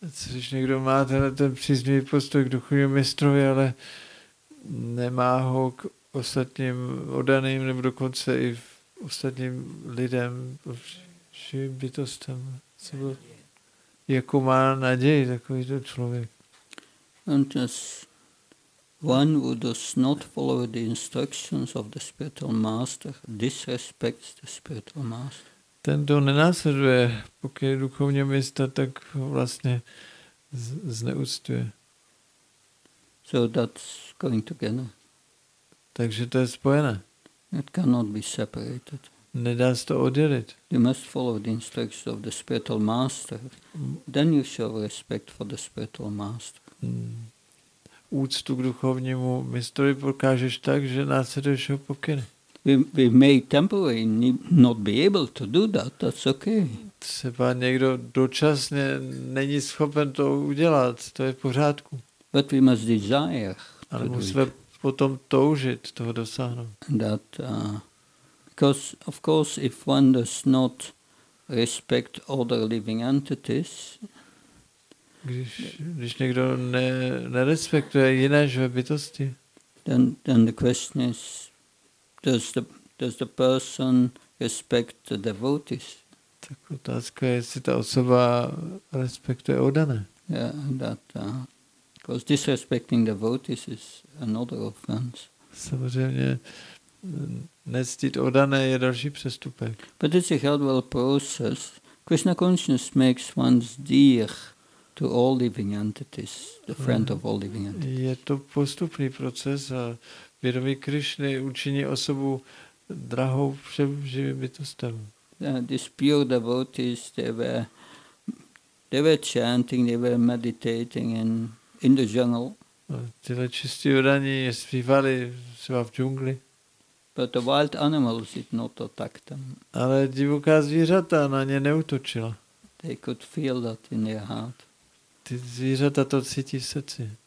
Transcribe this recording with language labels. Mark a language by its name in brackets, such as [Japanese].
[Czech] když někdo má ten příznivý postoj k duchovnímu mistrovi, ale nemá ho k ostatním oddaným nebo dokonce i v ostatním lidem, všim bytostem, jakou má naději takovýto člověk. [English] One who does not follow the instructions of the spiritual master disrespects the spiritual master. [Czech] Ten, kdo nenásleduje, pokud je duchovní mistr, tak vlastně zneuctuje. [English] So that's going together. [Czech] Takže to je spojené. [English] It cannot be separated. [Czech] Nedá se to oddělit. [English] You must follow the instructions of the spiritual master. Then you show respect for the spiritual master. [Czech] Úctu k duchovnímu mistrovi pokážeš tak, že následuješ jeho pokyny. [English] We may temporarily not be able to do that, that's okay. [Czech] Třeba někdo dočasně není schopen to udělat, to je v pořádku. [English] But we must desire to. [Czech] Ale musíme potom toužit toho dosáhnout. [English] That, because of course if one does not respect other living entities, [Czech] Když někdo nerespektuje jiné živé bytosti, [English] then the question is, does the person respect the devotees? [Czech] Tak otázka je, jestli ta osoba respektuje oddané. [English] Yeah, that because disrespecting devotees is another offense. [Czech] Samozřejmě nectit odané je další přestupek. [English] But it's a gradual process. Krishna consciousness makes one's dear to all living entities, the friend of all living entities. [Czech] Je to postupný proces a vědomí Krišny učiní osobu drahou všem živým bytostem. [English] These pure devotees, they were chanting, they were meditating in the jungle. [Czech] Tyhle čistí odaní zpívali třeba v džungli. [English] But the wild animals did not attack them. [Czech] Ale divoká zvířata na ně neutočila. [English] They could feel that in their heart. [Czech] Ty zvířata to cítí v srdci.